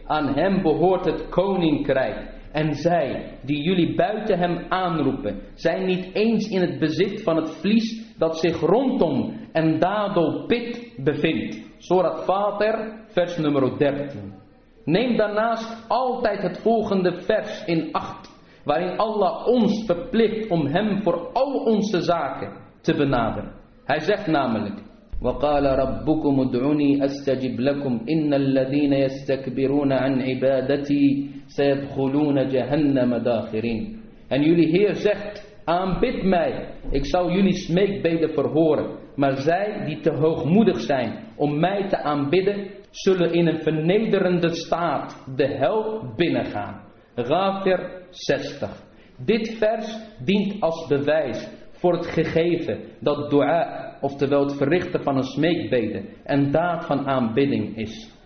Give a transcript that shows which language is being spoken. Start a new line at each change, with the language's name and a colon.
Dutch: Aan hem behoort het koninkrijk. En zij die jullie buiten hem aanroepen, zijn niet eens in het bezit van het vlies dat zich rondom en dadel pit bevindt. Surat Fatir, vers nummer 13. Neem daarnaast altijd het volgende vers in acht, waarin Allah ons verplicht om hem voor al onze zaken te benaderen. Hij zegt namelijk:
Arabic: وقال ربكم ادعوني استجب لكم ان الذين يستكبرون عن عبادتي سيدخلون جهنم داخرين.
Dutch: En jullie Heer zegt: aanbid mij, ik zal jullie smeekbeden verhoren. Maar zij die te hoogmoedig zijn om mij te aanbidden, zullen in een vernederende staat de hel binnengaan. Ghafir 60. Dit vers dient als bewijs voor het gegeven dat dua, oftewel het verrichten van een smeekbede, een daad van aanbidding is.